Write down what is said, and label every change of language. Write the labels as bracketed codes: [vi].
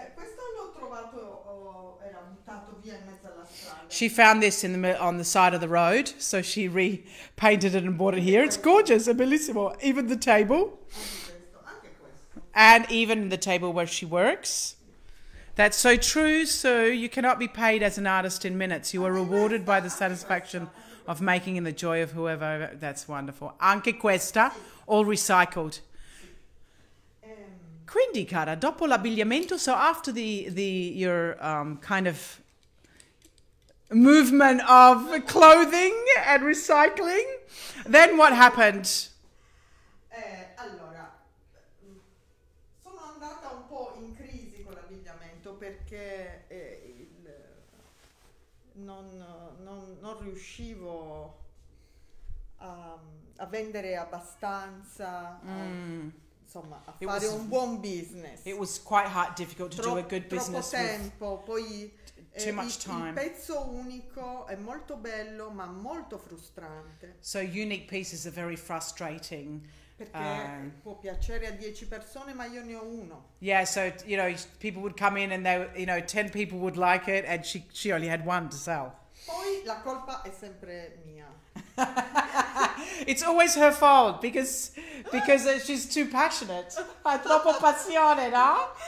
[it] Questo l'ho trovato, era buttato via in mezzo alla strada. [en] She found this on the side of the road, so she repainted it and brought it here. It's gorgeous, [it] è bellissimo. [en] Even the table. [it] Anche questo. [en] And even the table where she works. That's so true. So you cannot be paid as an artist in minutes. You are rewarded by the satisfaction of making and the joy of whoever. That's wonderful. [it] Anche questa, [en] all recycled. [it] Quindi, cara, dopo l'abbigliamento, [en] so after your kind of movement of clothing and recycling, then what happened? [it] Allora, sono andata un po' in crisi con l'abbigliamento perché non riuscivo a vendere abbastanza, insomma, a fare un buon business. [en] It was quite hard, difficult to do a good business. [it] Troppo tempo, poi [en] too much time. [it] Il pezzo unico è molto bello, ma molto frustrante. [en] So unique pieces are very frustrating. [it] Perché può piacere a 10 persone, ma io ne ho uno. [en] Yeah, so you know, people would come in and they, you know, 10 people would like it, and she only had one to sell. [it] Poi la colpa è sempre mia. [en] It's always her fault because she's too passionate. [it] Ha troppo passione, no?